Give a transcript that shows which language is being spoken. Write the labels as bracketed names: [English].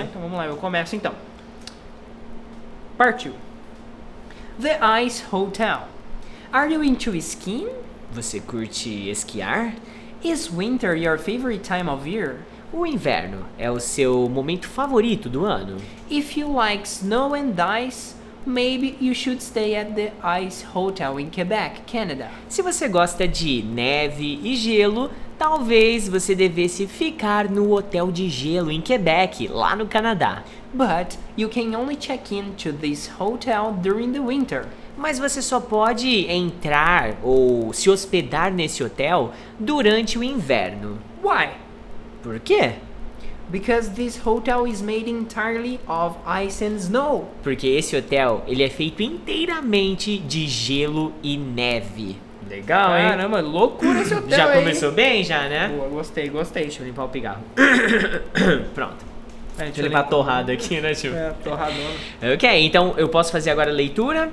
[Portuguese] Lá, então, vamos lá, eu começo então. Partiu. [English] The Ice Hotel. Are you into skiing? [Portuguese] Você curte esquiar? [English] Is winter your favorite time of year? [Portuguese] O inverno é o seu momento favorito do ano? [English] If you like snow and ice, maybe you should stay at the Ice Hotel in Quebec, Canada. [Portuguese] Se você gosta de neve e gelo, talvez você devesse ficar no hotel de gelo em Quebec, lá no Canadá. [English] But you can only check in to this hotel during the winter. [Portuguese] Mas você só pode entrar ou se hospedar nesse hotel durante o inverno. [English] Why? [Portuguese] Por quê? Because this hotel is made entirely of ice and snow. Porque esse hotel, ele é feito inteiramente de gelo e neve. Legal, hein? Caramba, loucura esse hotel, já começou aí. Bem, já, né? Boa, gostei, gostei. Deixa eu limpar o pigarro. Pronto. Deixa eu limpar a torrada aqui, né, tio? É, torradona. Ok, então eu posso fazer agora a leitura.